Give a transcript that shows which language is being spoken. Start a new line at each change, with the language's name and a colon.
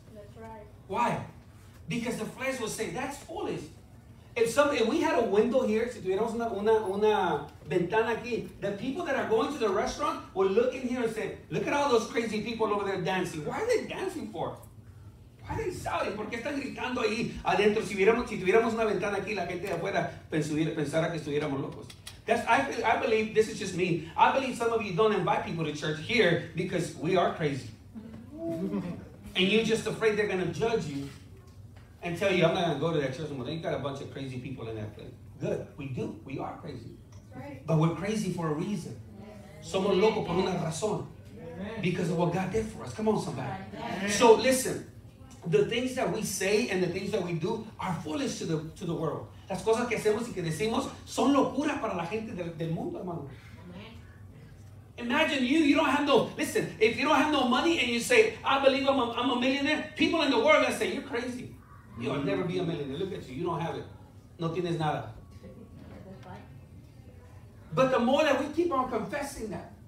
English: That's right. Why? Because the flesh will say, that's foolish. If we had a window here,
Spanish: si tuviéramos una ventana aquí,
English: the people that are going to the restaurant will look in here and say, look at all those crazy people over there dancing. Why are they dancing for? Why are they shouting?
Spanish: ¿Por qué están gritando ahí adentro? Si tuviéramos una ventana aquí, la gente de afuera pensara que estuviéramos locos.
English: I believe, this is just me, I believe some of you don't invite people to church here because we are crazy. And you're just afraid they're going to judge you. And tell you, I'm not going to go to that church anymore. They got a bunch of crazy people in that place. Good. We do. We are crazy. That's right. But we're crazy for a reason. Amen.
Spanish: Somos locos por una razón.
English: Amen. Because of what God did for us. Come on, somebody. Amen. So listen, the things that we say and the things that we do are foolish to the world.
Spanish: Las cosas que hacemos y que decimos son locuras para la gente del mundo, hermano.
English: Imagine you don't have no, listen, if you don't have no money and you say, I believe I'm a millionaire, people in the world are going to say, you're crazy. You'll never be a millionaire. Look at you. You don't have it.
Spanish: No tienes nada.
English: But the more that we keep on confessing that,